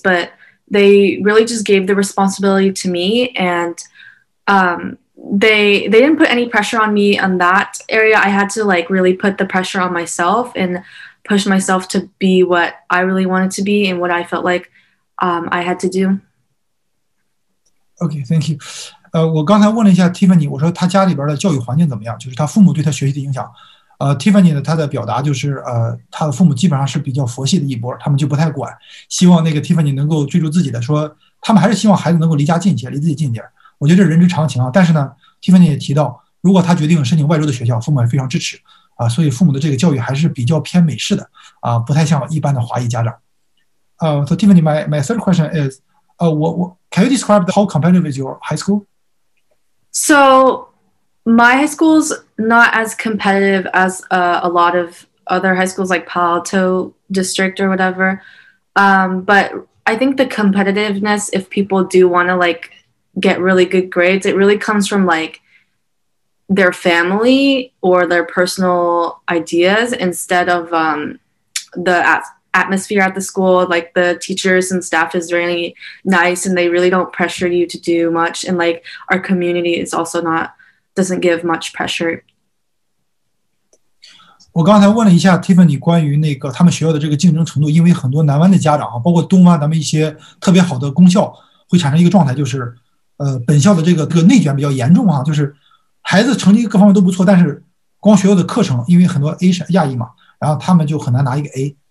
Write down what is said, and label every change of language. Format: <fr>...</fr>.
<en>But they really just gave the responsibility to me. And they didn't put any pressure on me on that area. I had to like really put the pressure on myself and push myself to be what I really wanted to be and what I felt like I had to do. Okay, thank you.</en> <zh>我刚才问了一下 Tiffany， 我说他家里边的教育环境怎么样，就是他父母对他学习的影响。 Tiffany 呢，他的表达就是，他的父母基本上是比较佛系的一波，他们就不太管，希望那个 Tiffany 能够追逐自己的，说他们还是希望孩子能够离家近些，离自己近点。我觉得这是人之常情啊。但是呢 ，Tiffany 也提到，如果他决定申请外州的学校，父母也非常支持啊。所以父母的这个教育还是比较偏美式的啊，不太像一般的华裔家长。</zh> <en>So Tiffany, my third question is. Can you describe how competitive is your high school? So my high school's not as competitive as a lot of other high schools like Palo Alto District or whatever. But I think the competitiveness, if people do want to like get really good grades, it really comes from like their family or their personal ideas instead of the atmosphere at the school, like the teachers and staff is really nice and they really don't pressure you to do much. And like our community is also not, doesn't give much pressure.</en> <zh>我刚才问了一下 Tiffany 关于那个他们学校的这个竞争程度，因为很多南湾的家长，包括东湾咱们一些特别好的公校会产生一个状态，就是本校的这个内卷比较严重啊，就是孩子成绩各方面都不错，但是光学校的课程，因为很多 A 是亚裔嘛，然后他们就很难拿一个 A。</zh>